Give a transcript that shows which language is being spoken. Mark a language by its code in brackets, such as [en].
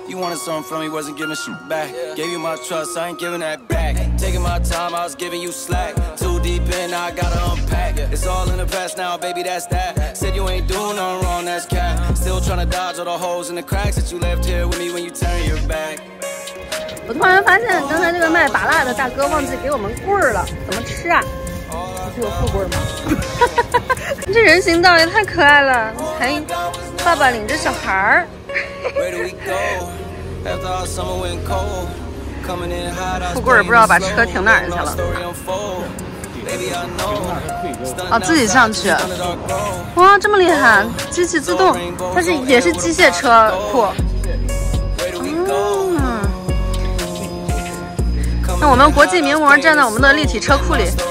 [en] Something from me wasn't giving shit back. Gave you my trust, I ain't giving that back. Taking my time, I was giving you slack. Too deep in, I gotta unpack. It's all in the past now, baby, that's that. Said you ain't doing no wrong, that's cap. Still trying to dodge all the holes and the cracks that you left here with me when you turn your back. [zh] 我突然发现刚才这个卖拔辣的大哥忘记给我们棍儿了，怎么吃啊？是个富贵吗？这人行道也太可爱了，还爸爸领着小孩儿。 [en] Where do we go? After our summer went cold, coming in hot, [zh] 富贵不知道把车停哪儿去了。哦，自己上去。哇，这么厉害，机器自动，它是也是机械车库。嗯。那我们国际名模站在我们的立体车库里。